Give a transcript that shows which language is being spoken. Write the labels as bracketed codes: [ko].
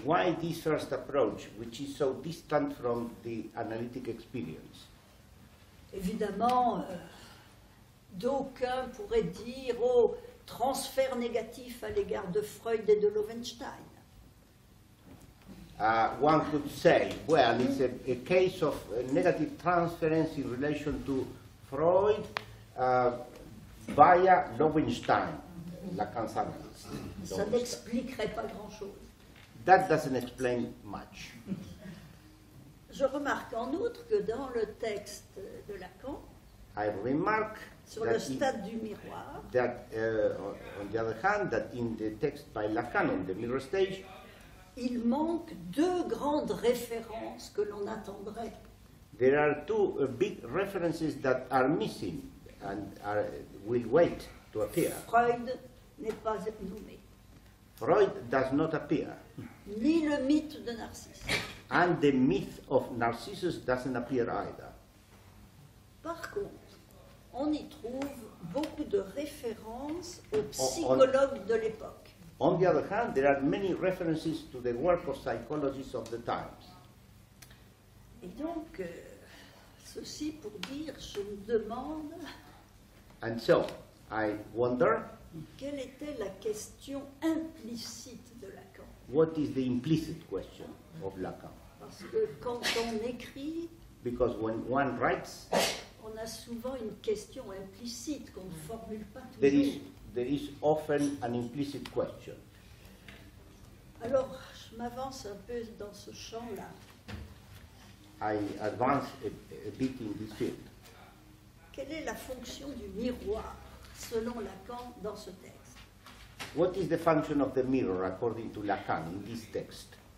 [en] Why this first approach, which is so distant from the analytic experience? [fr] Évidemment, d'aucuns pourraient dire, oh, transfert négatif à l'égard de Freud et de Loewenstein. [en] One could say, well, it's a case of negative transference in relation to Freud via Loewenstein, Lacan's analyst. [fr] Ça n'expliquerait pas grand-chose. [en] That doesn't explain much. [fr] Je remarque en outre que dans le texte de Lacan, [en] I remark [fr] sur le stade du miroir. [en] That, on the other hand, that in the text by Lacan on the mirror stage, [fr] il manque deux grandes références que l'on attendrait. [en] There are two big references that are missing and are, will wait to appear. [fr] Freud n'est pas nommé. [en] Freud does not appear. [fr] Ni le mythe de Narcisse. [en] And the myth of Narcissus doesn't appear either. [fr] Par contre, on y trouve beaucoup de références aux psychologues de l'époque. [en] On the other hand, there are many references to the work of psychologists of the times. [fr] Et donc, ceci pour dire, je me demande. [en] And so, I wonder. [fr] Quelle était la question implicite de Lacan? [en] What is the implicit question of Lacan? [fr] Parce que quand on écrit, [en] because when one writes, [fr] on a souvent une question implicite qu'on ne formule pas toujours. [en] There is often an implicit question. [fr] Alors, je m'avance un peu dans ce champ-là. [en] I advance a bit in this field. [fr] Quelle est la fonction du miroir selon Lacan dans ce texte? [en] What is the function of the mirror according to Lacan in this text?